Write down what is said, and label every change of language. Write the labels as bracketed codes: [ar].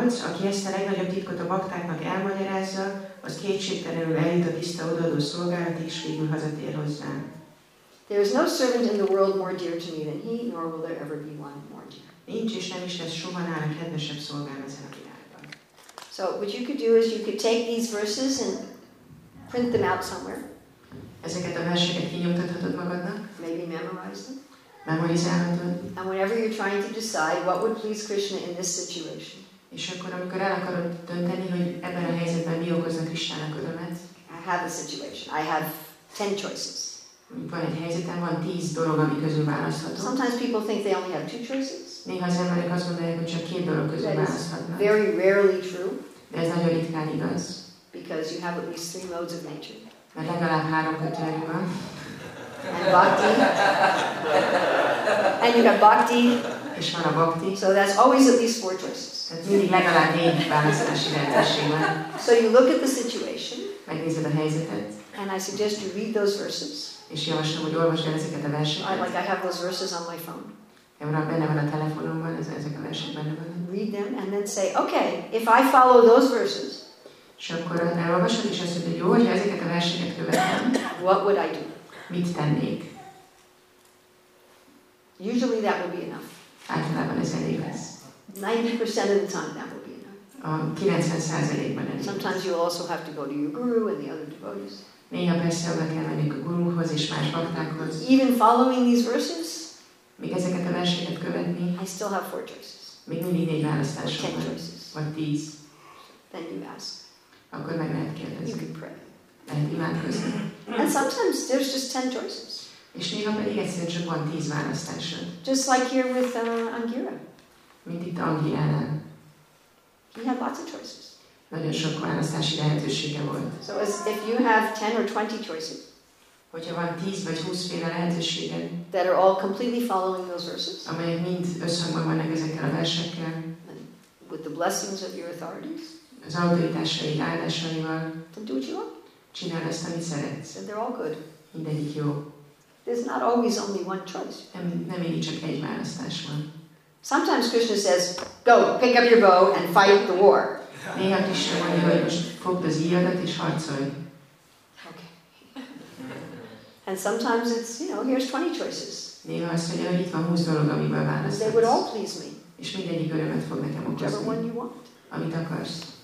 [hu] Aki ezt a legnagyobb titkot a baktáknak elmagyarázza, az kétségtelenül eljut a tiszta odaadó szolgálat és végül hazatér hozzám. [en] There is no servant in the world more dear to me than he, nor will there ever be one more dear. [hu] Nincs és nem is lesz soha nála kedvesebb szolgám ezen a világban. [en] So what you could do is you could take these verses and print them out somewhere. [hu] Ezeket a verseket kinyomtathatod magadnak. [en] Maybe memorize them. [hu] Memorizálhatod. [en] And whenever you're trying to decide what would please Krishna in this situation. [hu] És akkor, amikor el akarod dönteni, hogy ebben a helyzetben mi okozna Krisztának örömet. [en] I have a situation. I have 10 choices. [hu] Van egy helyzetem, van 10 dolog, ami közül választhatok. [en] Sometimes people think they only have 2 choices. [hu] Néha az emberek azt gondolják, hogy csak 2 dolog közül választhatnak. [en] Very rarely true. [hu] De ez nagyon ritkán igaz. [en] Because you have at least 3 modes of nature. [hu] Mert legalább 3 kötőjük van. [en] And bhakti. And you have bhakti. [hu] És van a bhakti. [en] So that's always at least 4 choices. [hu] Tehát mindig legalább 4 választási lehetőség van. [en] So you look at the situation. [hu] Megnézed a helyzetet. [en] And I suggest you read those verses. [hu] És javaslom, hogy olvasd el ezeket a verseket. [en] Like I have those verses on my phone. [hu] Benne van a telefonomban, ezek a versek benne van. [en] Read them and then say, okay, if I follow those verses. [hu] És akkor elolvasod és azt mondod, hogy jó, hogy ezeket a verseket követem. [en] What would I do? [hu] Mit tennék? [en] Usually that would be enough. [hu] Általában ez elég lesz. [en] 90% of the time that would be enough. [hu] 90%-ban elég. [en] Sometimes you also have to go to your guru and the other devotees. [hu] Néha persze oda kell menni a guruhoz és más baktákhoz. [en] Even following these verses? [hu] Még ezeket a verseket követni? [en] I still have 4 choices. [hu] Még mindig 4 választásom van. [en] 10 choices. [hu] Vagy 10. [en] Then you ask. [hu] Akkor meg lehet kérdezni. [en] You can pray. [hu] Lehet imádkozni. [en] And sometimes there's just 10 choices. [hu] És néha pedig egyszerűen csak van 10 választásod. [en] Just like here with Angira. [hu] Mint itt Angira-nál. [en] He had lots of choices. [hu] Nagyon sok választási lehetősége volt. [en] So as if you have 10 or 20 choices. [hu] Hogyha van 10 vagy 20 féle lehetőséged. [en] That are all completely following those verses. [hu] Amelyek mind összhangban vannak ezekkel a versekkel. [en] With the blessings of your authorities. [hu] Az autoritásaid áldásaival. [en] Then do what you want. [hu] Csináld azt, amit szeretsz. [en] And they're all good. [hu] Mindegyik jó. [en] There's not always only one choice. [hu] Nem mindig csak egy választás van. [en] Sometimes Krishna says, go, pick up your bow and fight the war. [hu] Néha Krishna mondja, hogy most fogd az íjadat és harcolj. [en] Okay. And sometimes it's, you know, here's 20 choices. [hu] Néha azt mondja, hogy itt van 20 dolog, amiből választhatsz. [en] They would all please me. [hu] És mindegyik örömet fog nekem okozni. [en] Whichever one you want. [hu] Amit akarsz.